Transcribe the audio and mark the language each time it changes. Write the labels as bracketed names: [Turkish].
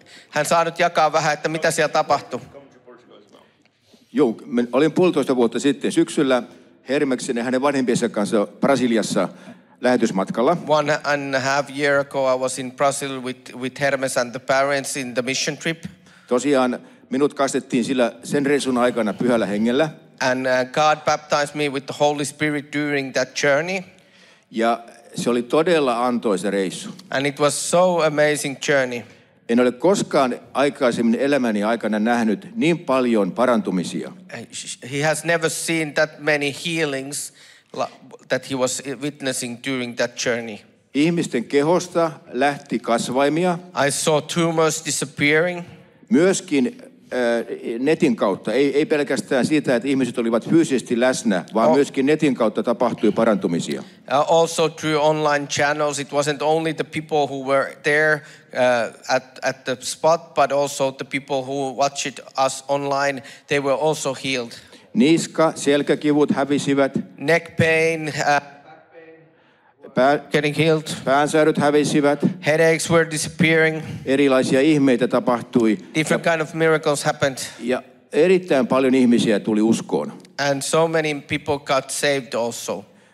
[Finnish] Hän saa nyt jakaa vähän, että mitä siellä tapahtui. Joo, olin 1,5 vuotta sitten syksyllä Hermeksen ja hänen vanhempiensa kanssa Brasiliassa lähetysmatkalla. [English] 1.5 year ago I was in Brazil with Hermes and the parents in the mission trip. [Finnish] Tosiaan minut kastettiin sillä sen reissun aikana pyhällä hengellä. [English] And God baptized me with the Holy Spirit during that journey. [Finnish] Ja se oli todella antoisa reissu. [English] And it was so amazing journey. [Finnish] En ole koskaan aikaisemmin elämäni aikana nähnyt niin paljon parantumisia. [English] He has never seen that many healings that he was witnessing during that journey. [Finnish] Ihmisten kehosta lähti kasvaimia. [English] I saw tumors disappearing. [Finnish] Myöskin netin kautta, ei pelkästään siitä, että ihmiset olivat fyysisesti läsnä, vaan myöskin netin kautta tapahtui parantumisia. [English] Also through online channels, it wasn't only the people who were there at the spot, but also the people who watched us online, they were also healed. [Finnish] Niska, selkäkivut hävisivät. [English] Neck pain, getting healed. [Finnish] Päänsäädyt hävisivät. [English] Headaches were disappearing. [Finnish] Erilaisia ihmeitä tapahtui. [English] Different kind of miracles happened. [Finnish] Ja erittäin paljon ihmisiä tuli uskoon. [English] And so many people got saved also.